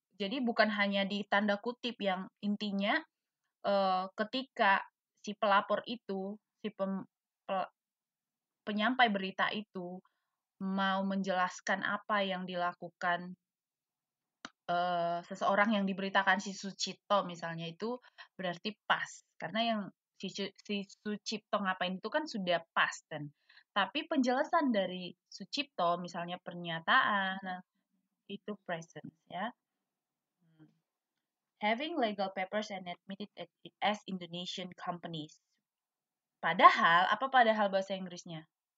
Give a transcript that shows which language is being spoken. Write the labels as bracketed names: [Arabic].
[Indonesian] Jadi bukan hanya di tanda kutip yang intinya ketika si pelapor itu, si penyampai berita itu mau menjelaskan apa yang dilakukan seseorang yang diberitakan si Sucipto misalnya itu berarti pas. Karena yang si Sucipto ngapain itu kan sudah pas dan tapi penjelasan dari Sucipto misalnya pernyataan itu present ya. [English] Having legal papers and admitted as Indonesian companies. [Indonesian] Padahal, apa padahal bahasa Inggrisnya?